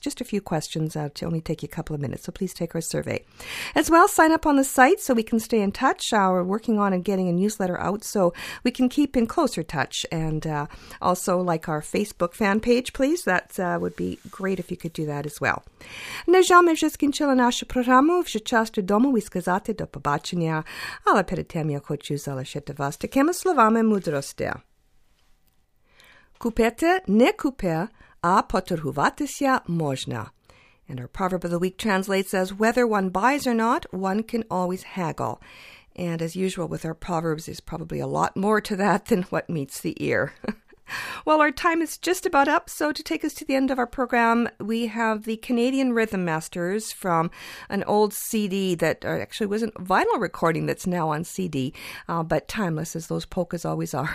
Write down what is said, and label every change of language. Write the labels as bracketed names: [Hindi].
[English] Just a few questions to only take you a couple of minutes, so please take our survey. As well, sign up on the site so we can stay in touch. We're working on getting a newsletter out so we can keep in closer touch, and also like our Facebook fan page, please. That would be great if you could do that as well. [Ukrainian] Нежа ми вже скінчила нашу програму. Вже час додому і сказати до побачення. Але перед тим я хочу залишити вас такими словами мудрості. Купити не купи, а поторгуватися можна. [English] And our proverb of the week translates as, whether one buys or not, one can always haggle. And as usual with our proverbs, there's probably a lot more to that than what meets the ear. Well, our time is just about up, so to take us to the end of our program, we have the Canadian Rhythm Masters from an old CD that actually wasn't vinyl recording that's now on CD, but timeless as those polkas always are.